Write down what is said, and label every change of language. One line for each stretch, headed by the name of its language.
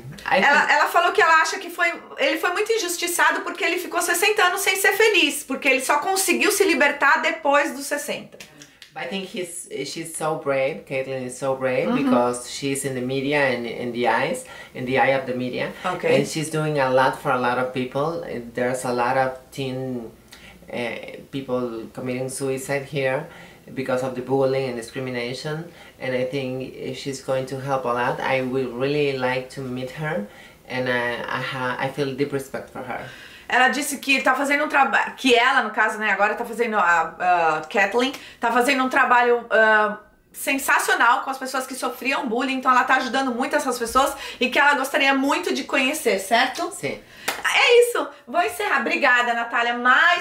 Portuguese: Ela falou que ela acha que ele foi muito injustiçado porque ele ficou 60 anos sem ser feliz. Porque ele só conseguiu se libertar depois dos 60.
English: I think she's so brave. Caitlyn is so brave, uh-huh, because she's in the media and in the eye of the media. Okay. And she's doing a lot for a lot of people. There's a lot of teen people committing suicide here because of the bullying and discrimination. And I think she's going to help a lot. I would really like to meet her, and I feel deep respect for her.
Portuguese: Ela disse que tá fazendo um trabalho, que ela, no caso, né, agora tá fazendo, a Caitlyn, tá fazendo um trabalho sensacional com as pessoas que sofriam bullying, então ela tá ajudando muito essas pessoas e que ela gostaria muito de conhecer, certo? Sim. É isso, vou encerrar. Obrigada, Natália, mais